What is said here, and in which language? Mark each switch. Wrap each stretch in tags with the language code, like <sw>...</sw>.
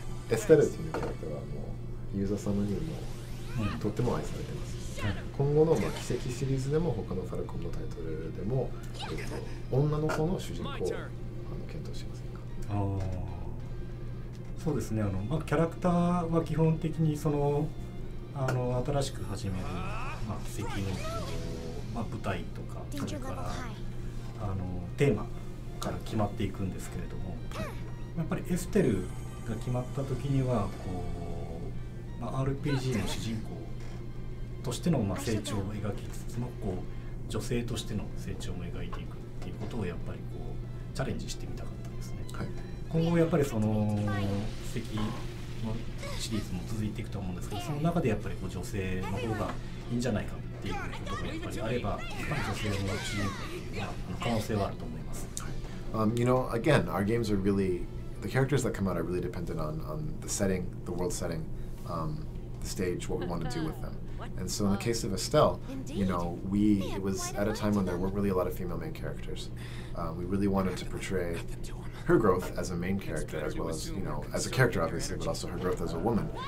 <en>Estelle is a character that is very loved by the user.</en> <ja>今後の、まあ、奇跡シリーズでも他のファルコンのタイトルでも、女の子の主人公をあの検討しませんか。あ、そうですね、あの、まあ、キャラクターは基本的にそのあの新しく始める、まあ、奇跡の、まあ、舞台とかそれからあのテーマから決まっていくんですけれども、やっぱりエステルが決まった時にはこう、まあ、RPG の主人公としての成長を描きつつもこう女性としての成長も描いていくっていうことをやっぱりこうチャレンジしてみたかったんですね、はい、今後やっぱりその奇跡のシリーズも続いていくと思うんですけど、その中でやっぱりこう女性の方がいいんじゃないかっていうことがやっぱりあれば、やっぱり女性の方が主人公っていうのは可能性はあると思います、</ja> <en>はい、you know, again, our games are really the characters that come out are really dependent on the setting, the world setting, the stage, what we want to do with themAnd so in the case of Estelle, you know, it was at a time when there weren't really a lot of female main characters. We really wanted to portray her growth as a main character, as well as, you know, as a character obviously, but also her growth as a woman.</en>